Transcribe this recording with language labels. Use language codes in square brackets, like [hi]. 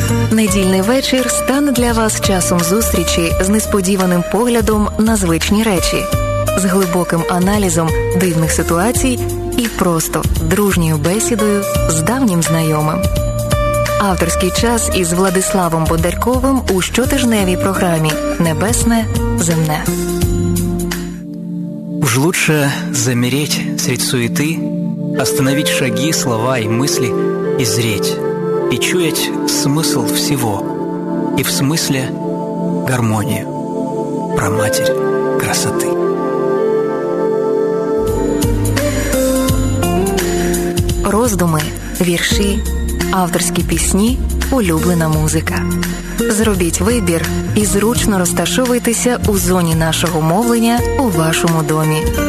[uk] Недільний вечір стане для вас часом зустрічі з несподіваним поглядом на звичні речі, з глибоким аналізом дивних ситуацій і просто дружньою бесідою з давнім знайомим. Авторський час із Владиславом Бондарковим у щотижневій програмі «Небесне, земне». [ru] Уж лучше замереть серед суеты, остановить шаги, слова и мысли, и зреть, и чуять смысл всего, и в смысле гармонию, праматерь красоты. [uk] Роздуми, вірші, авторські пісні, улюблена музика. Зробіть вибір і зручно розташовуйтеся у зоні нашого мовлення у вашому домі.